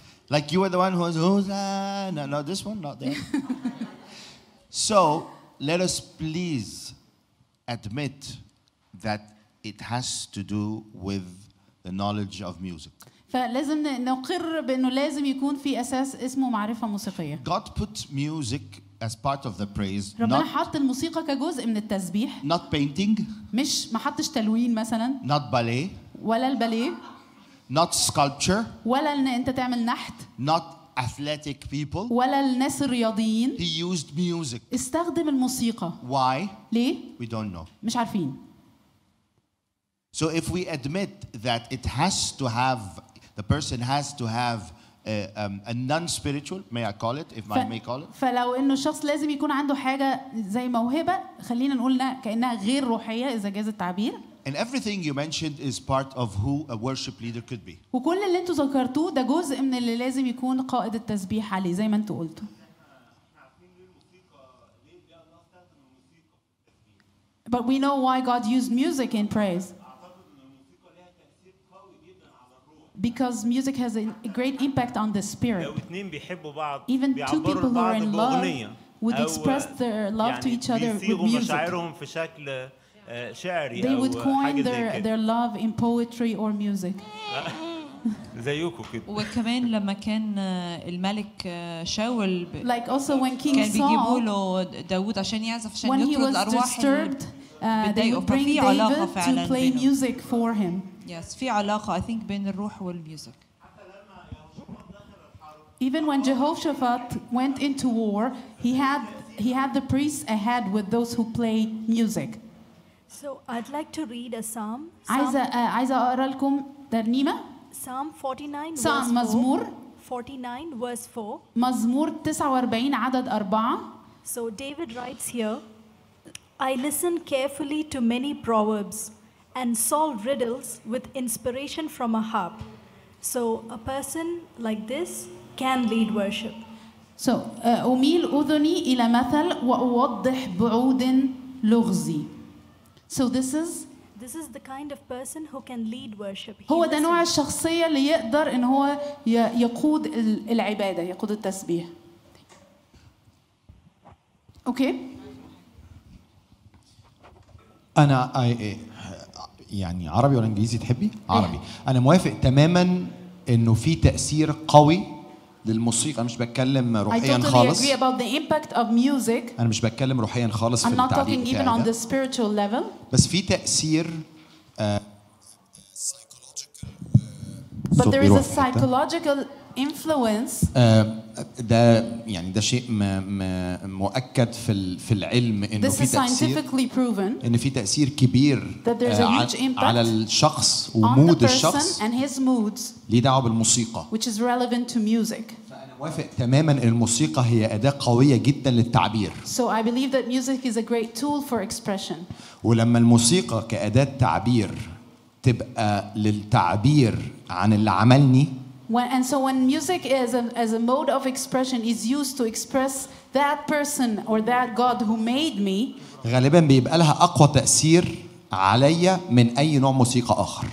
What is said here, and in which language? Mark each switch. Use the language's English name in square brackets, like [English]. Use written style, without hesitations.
[English] Like you were the one who was, Hosanna. No, this one, not there. So let us please admit that it has to do with the knowledge of music. [Arabic] فلازم نقر بأنه لازم يكون في أساس اسمه معرفة موسيقية. [English] God put music as part of the praise. [Arabic] ربنا حط الموسيقى كجزء من التسبيح. [English] Not painting. [Arabic] مش ما حطش تلوين مثلاً. [English] Not ballet. [Arabic] ولا الباليه. [English] Not sculpture. [Arabic] ولا إن أنت تعمل نحت. [English] Not athletic people. [Arabic] ولا الناس الرياضيين. [English] He used music. [Arabic] استخدم الموسيقى. [English] Why? [Arabic] ليه؟ [English] We don't know. [Arabic] مش عارفين. [English] So if we admit that it has to have, the person has to have a non-spiritual, may I call it, if I may call it. [Arabic] فلو إنه الشخص لازم يكون عنده حاجة زي موهبة خلينا نقولنا كأنها غير روحية إذا جاز التعبير. [English] And everything you mentioned is part of who a worship leader could be. [Arabic] وكل اللي أنتوا ذكرتوه ده جزء من اللي لازم يكون قائد التسبيح عليه زي ما أنتوا قلتوا. [English] But we know why God used music in praise. Because music has a great impact on the spirit. Even two people who are in love would express their love to each other with music. They would coin their love in poetry or music. Like also when King Saul, when he was disturbed, they would bring David to play music for him. [Arabic] Yes, في علاقة [English] I think [Arabic] بين الروح والموسيقى. [English] Even when Jehoshaphat went into war, he had the priests ahead with those who play music. So I'd like to read a psalm. [Arabic] عايزة أقرا لكم ترنيمة. [English] Psalm 49 Psalm verse 4. [Arabic] مزمور [English] 49 verse 4. [Arabic] مزمور 49 عدد 4. [English] So David writes here, I listened carefully to many proverbs and solve riddles with inspiration from a harp. So a person like this can lead worship. [Arabic] So أميل أذني إلى مثل وأوضح بعود لغزي. [English] So this is the kind of person who can lead worship. [Arabic] هو ده نوع الشخصية اللي يقدر إن هو يقود العبادة يقود التسبيح. [English] Okay. [Arabic] أنا يعني عربي ولا انجليزي تحبي عربي انا موافق تماما انه في تاثير قوي للموسيقى انا مش بتكلم روحيا خالص [English] I totally agree about the impact of music. [Arabic] انا مش بتكلم روحيا خالص [English] I'm [Arabic] في التعليق [English] I'm not talking even on the spiritual level. [Arabic] بس في تاثير [English] but there is a psychological influence [Arabic] ده يعني ده شيء مؤكد في العلم انه في تاثير ان في تاثير كبير على الشخص ومود الشخص ليه دعوه بالموسيقى فانا موافق تماما ان الموسيقى هي اداه قويه جدا للتعبير [English] so I believe that music is a great tool for expression [Arabic] ولما الموسيقى كاداه تعبير تبقى للتعبير عن اللي عملني [English] When music is as a mode of expression is used to express that person or that God who made me, [Arabic] غالباً بيبقى لها أقوى تأثير عليا من أي نوع موسيقى آخر.